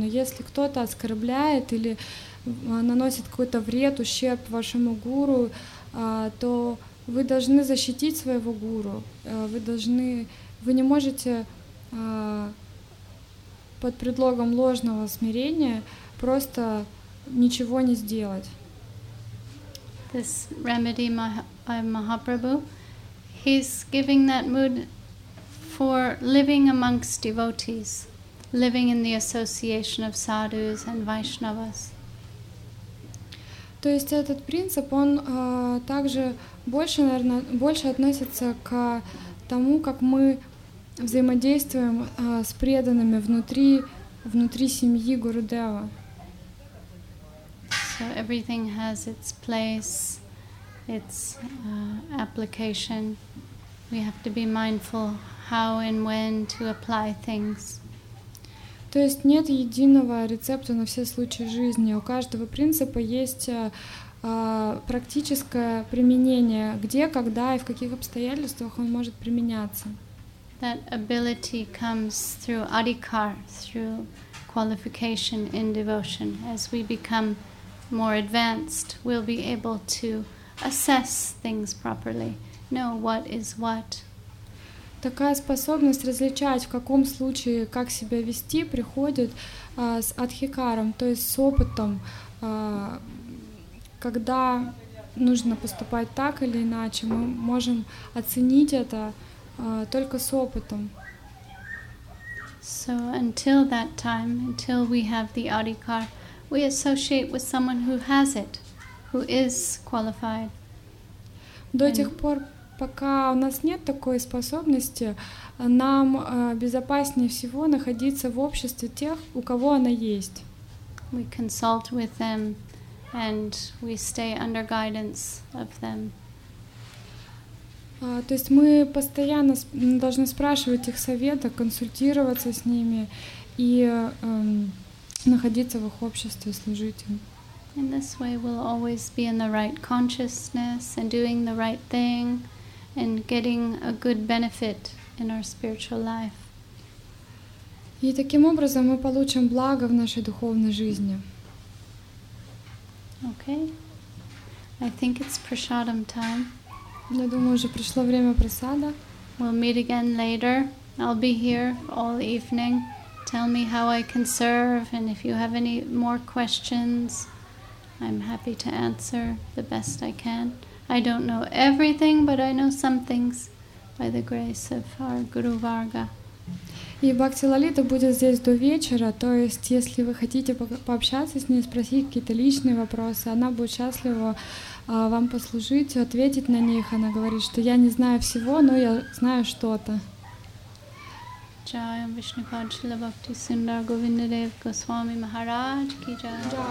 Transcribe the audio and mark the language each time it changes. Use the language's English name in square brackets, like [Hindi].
[Russian] Но если кто-то оскорбляет или наносит какой-то вред, ущерб вашему гуру, то вы должны защитить своего гуру. Вы не можете под предлогом ложного смирения просто ничего не сделать. [English] This remedy by Mahaprabhu, he's giving that mood for living amongst devotees, living in the association of sadhus and Vaishnavas. [Russian] То есть этот принцип, он также больше, наверное, больше относится к тому, как мы взаимодействуем с преданными внутри семьи Гурудева. [English] So everything has its place, its application. We have to be mindful how and when to apply things. [Russian] То есть нет единого рецепта на все случаи жизни. У каждого принципа есть практическое применение, где, когда и в каких обстоятельствах он может применяться. [English] That ability comes through adhikar, through qualification in devotion, as we become more advanced, we'll be able to assess things properly, know what is what. [Russian] Такая способность различать, в каком случае как себя вести, приходит с адхикаром, то есть с опытом, когда нужно поступать так или иначе, мы можем оценить это только с опытом. [English] So until that time, until we have the adhikar, we associate with someone who has it, who is qualified. [Russian] До тех пор, пока у нас нет такой способности, нам безопаснее всего находиться в обществе тех, у кого она есть. [English] We consult with them and we stay under guidance of them. [Russian] То есть мы постоянно должны спрашивать их совета, консультироваться с ними и находиться в их обществе, служить им. [English] In this way we'll always be in the right consciousness and doing the right thing and getting a good benefit in our spiritual life. [Russian] И таким образом мы получим благо в нашей духовной жизни. [English] Okay. I think it's prasadam time. [Russian] Я думаю, уже пришло время просада. [English] We'll meet again later. I'll be here all evening. Tell me how I can serve, and if you have any more questions, I'm happy to answer the best I can. I don't know everything, but I know some things by the grace of our Guru Varga. [Russian] И Бхакти Лалита будет здесь до вечера, то есть если вы хотите пообщаться с ней, спросить какие-то личные вопросы, она будет счастлива вам послужить, ответить на них. Она говорит, что я не знаю всего, но я знаю что-то. Джайам Вишнупад Шрила Бхакти Сундар Говинда Дев Госвами Махарадж Ки Джай.